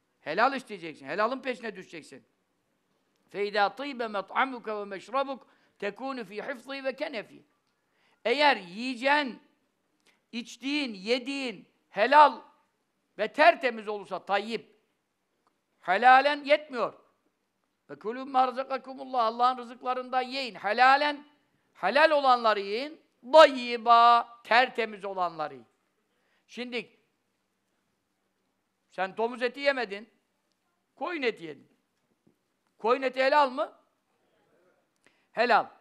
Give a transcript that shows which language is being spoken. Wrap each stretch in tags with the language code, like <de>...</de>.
<tr>Helal isteyeceksin, helalın peşine düşeceksin.</tr> <ar>فَاِذَا طِيبَ مَطْعَمُكَ وَمَشْرَبُكَ تَكُونُ ف۪ي حِفْظِي وَكَنَف۪ي</ar> <tr>Eğer yiyeceğin, içtiğin, yediğin helal ve tertemiz olursa, tayyip, helalen yetmiyor.</tr> <ar>فَكُلُوا مَا رَزَقَكُمُ اللّٰهِ</ar> <tr>Allah'ın rızıklarından yiyin. Helalen, helal olanları yiyin. Dayyiba, tertemiz olanları yiyin. Şimdi, sen domuz eti yemedin, koyun eti yedin. Koyun eti helal mı? Helal.</tr>